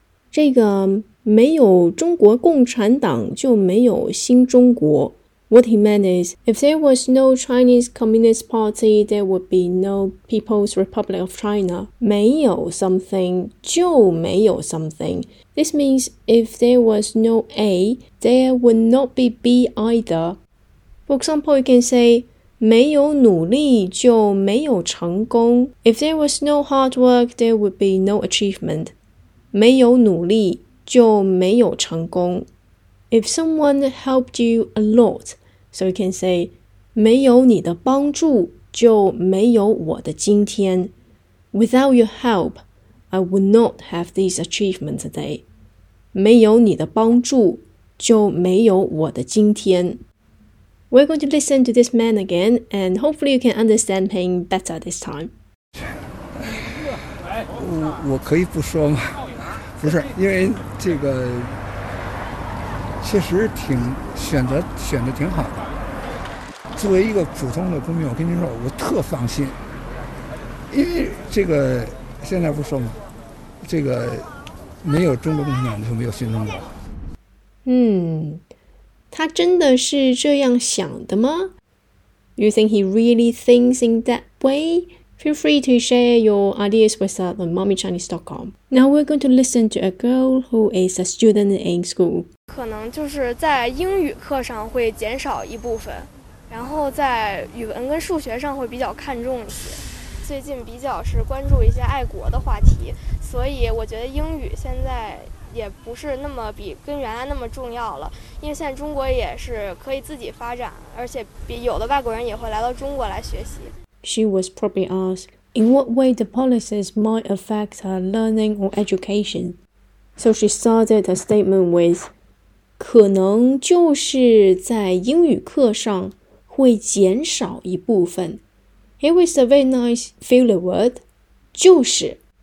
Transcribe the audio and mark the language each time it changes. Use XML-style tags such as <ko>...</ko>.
<zh>这个没有中国共产党就没有新中国。</zh> <en>What he meant is, if there was no Chinese Communist Party, there would be no People's Republic of China.</en> <zh>没有</zh> <en>something</en> <zh>就没有</zh> <en>something. This means, if there was no A, there would not be B either. For example, you can say,</en> <zh>没有努力就没有成功。</zh> <en>If there was no hard work, there would be no achievement. 没有努力就没有成功。 If someone helped you a lot, so you can say, 没有你的帮助就没有我的今天。 Without your help, I would not have this achievement today.</en> <zh>没有你的帮助就没有我的今天。</zh> <en>We're going to listen to this man again, and hopefully you can understand him better this time.</en> <zh>我可以不说吗？不是，因为这个确实挺选的挺好的。作为一个普通的公民，我跟您说，我特放心，因为这个现在不说吗？这个没有中国共产党就没有新中国。他真的是这样想的吗？</zh> <en>You think he really thinks in that way? Feel free to share your ideas with us on mommychinese.com. Now we're going to listen to a girl who is a student in school.</en> <zh>可能就是在英语课上会减少一部分，然后在语文跟数学上会比较看重一些。最近比较是关注一些爱国的话题，所以我觉得英语现在也不是那么比跟原来那么重要了，因为现在中国也是可以自己发展，而且比有的外国人也会来到中国来学习。</zh> <en>She was probably asked, in what way the policies might affect her learning or education? So she started her statement with,</en> <zh>可能就是在英语课上会减少一部分。</zh> <en>It was a very nice filler word, 就是。</en>